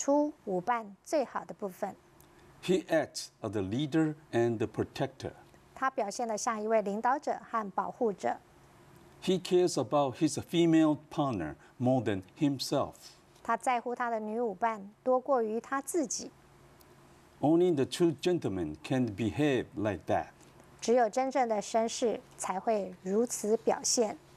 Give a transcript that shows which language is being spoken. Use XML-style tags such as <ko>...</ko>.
<zh>男性舞者的任务是展示出舞伴最好的部分.</zh> <en>He acts as the leader and the protector.</en> <zh>他表现得像一位领导者和保护者.</zh> <en>He cares about his female partner more than himself.</en> <zh>他在乎他的女舞伴多过于他自己.</zh> <en>Only the true gentleman can behave like that.</en> <zh>只有真正的绅士才会如此表现.</zh>